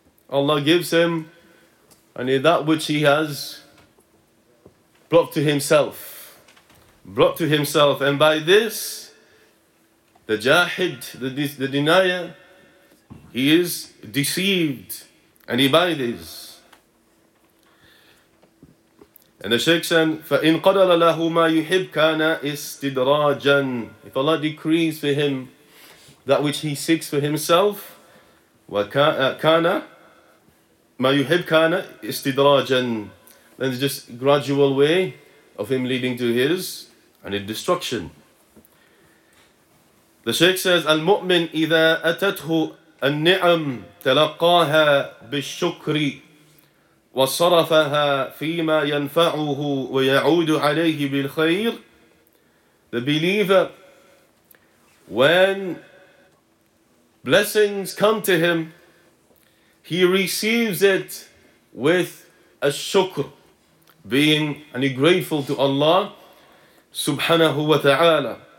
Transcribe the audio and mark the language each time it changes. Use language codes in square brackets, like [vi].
[en] Allah gives him only that which he has brought to himself. Brought to himself. And by this, the jahid, the denier, he is deceived. And he by this. And the Shaykh said, [ar] فَإِنْ قَدَرَ لَهُ مَا يُحِبْ كَانَ إِسْتِدْرَاجًا. [en] If Allah decrees for him that which he seeks for himself, [ar] وَكَانَ مَا يُحِبْ كَانَ إِسْتِدْرَاجًا. [en] Then it's just a gradual way of him leading to his and his destruction. The Shaykh says, [ar] المؤمن إذا أتته النعم تلقاها بالشكر وصرفها فيما ينفعه ويعود عليه بالخير. [en] The believer, when blessings come to him, he receives it with a shukr, being and grateful to Allah subhanahu wa ta'ala.